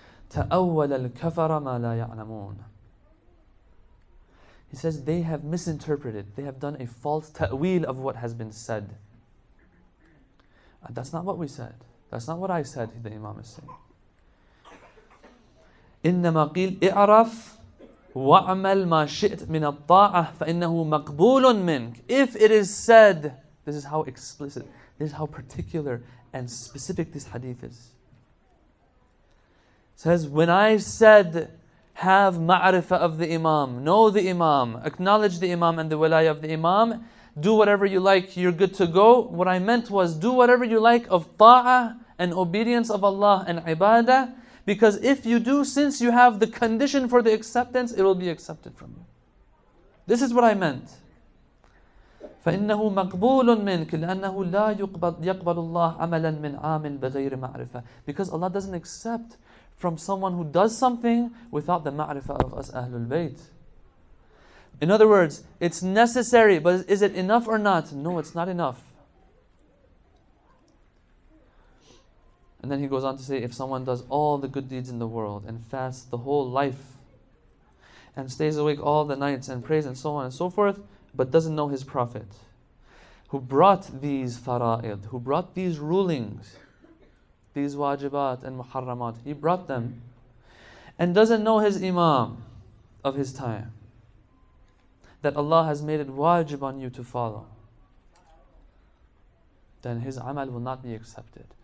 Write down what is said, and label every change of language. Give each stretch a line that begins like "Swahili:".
Arabic: تأول الكفر ما لا يعلمون.
English: He says they have misinterpreted. They have done a false ta'wil of what has been said. That's not what we said. That's not what I said, the Imam is saying.
Arabic: إنما قيل اعرف وعمل ما شئت من الطاعة فإنه مقبول منك.
English: If it is said, this is how explicit, this is how particular and specific this hadith is. Says, when I said, have ma'rifah of the imam, know the imam, acknowledge the imam and the wilayah of the imam, do whatever you like, you're good to go. What I meant was, do whatever you like of ta'ah and obedience of Allah and ibadah, because if you do, since you have the condition for the acceptance, it will be accepted from you. This is what I meant.
Arabic: فإنه مقبول منك لأنه لا يقبل الله عملا من عامل بغير معرفة.
English: Because Allah doesn't accept from someone who does something without the ma'rifah of us Ahlul Bayt. In other words, it's necessary, but is it enough or not? No, it's not enough. And then he goes on to say, if someone does all the good deeds in the world and fasts the whole life and stays awake all the nights and prays and so on and so forth, but doesn't know his Prophet who brought these fara'id, who brought these rulings, these wajibat and muharramat, he brought them, and doesn't know his imam of his time, that Allah has made it wajib on you to follow, then his amal will not be accepted.